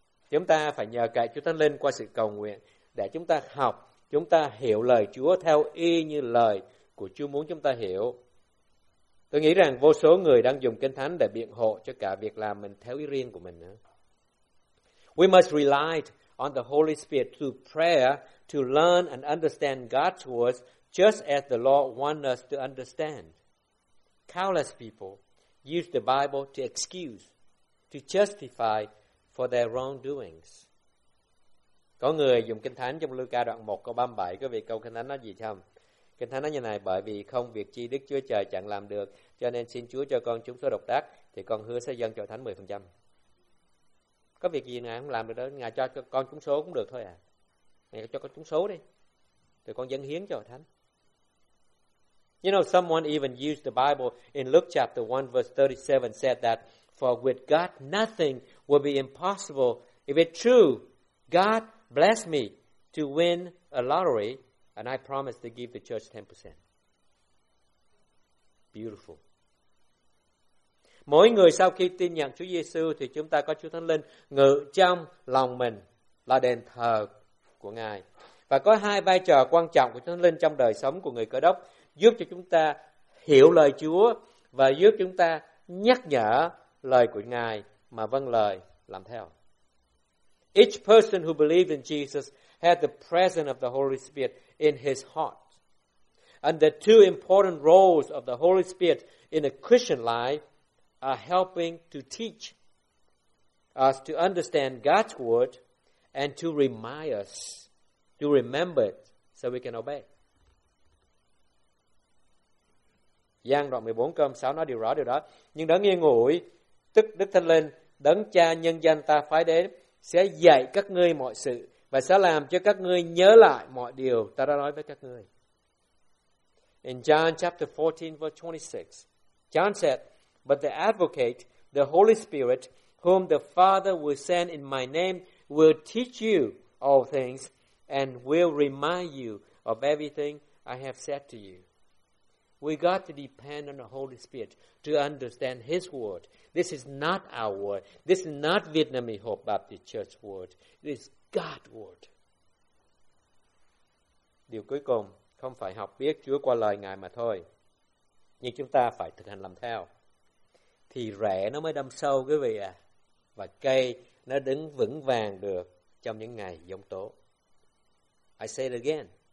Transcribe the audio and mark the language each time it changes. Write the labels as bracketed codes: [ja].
[vi] Chúng ta phải nhờ cậy Chúa Thánh Linh qua sự cầu nguyện để chúng ta học, chúng ta hiểu lời Chúa theo y như lời của Chúa muốn chúng ta hiểu. Tôi nghĩ rằng vô số người đang dùng Kinh Thánh để biện hộ cho cả việc làm mình theo ý riêng của mình nữa. [en] We must rely on the Holy Spirit through prayer to learn and understand God's words just as the Lord wants us to understand. Countless people use the Bible to excuse, to justify for their wrongdoings. Có người dùng Kinh Thánh trong Luca đoạn 1 câu 37, có vị câu Kinh Thánh nói gì không? Kinh Thánh nói như này, bởi vì không việc chi Đức Chúa Trời chẳng làm được, cho nên xin Chúa cho con chúng số độc đắc, thì con hứa sẽ dâng cho Thánh 10%. Có việc gì Ngài không làm được đó, Ngài cho con chúng số cũng được thôi à. Ngài cho con chúng số đi, thì con dâng hiến cho Thánh. You know, someone even used the Bible in Luke chapter 1 verse 37 said that for with God nothing will be impossible. If it's true, God bless me to win a lottery and I promise to give the church 10%. Beautiful. [vi] Mỗi người sau khi tin nhận Chúa Giêsu thì chúng ta có Chúa Thánh Linh ngự trong lòng mình là đền thờ của Ngài. Và có hai vai trò quan trọng của Chúa Thánh Linh trong đời sống của người Cơ Đốc, giúp cho chúng ta hiểu lời Chúa và giúp chúng ta nhắc nhở lời của Ngài mà vâng lời làm theo. [en] Each person who believed in Jesus had the presence of the Holy Spirit in his heart. And the two important roles of the Holy Spirit in a Christian life are helping to teach us to understand God's word and to remind us to remember it so we can obey. Giăng đoạn 14 câu 6 nói điều rõ điều đó. Nhưng đấng yên ủi, tức Đức Thánh Linh, đấng cha nhân danh ta phái đến, sẽ dạy các ngươi mọi sự và sẽ làm cho các ngươi nhớ lại mọi điều ta đã nói với các ngươi. In John chapter 14 verse 26, John said, but the advocate, the Holy Spirit, whom the Father will send in my name, will teach you all things and will remind you of everything I have said to you. We got to depend on the Holy Spirit to understand His word. This is not our word. This is not Vietnamese Hope Baptist Church word. It is God's word. [vi] Điều cuối cùng, không phải học biết Chúa qua lời Ngài mà thôi, nhưng chúng ta phải thực hành làm theo. Thì rễ nó mới đâm sâu quý vị ạ, và cây nó đứng vững vàng được trong những ngày giông tố. [en] I say it again.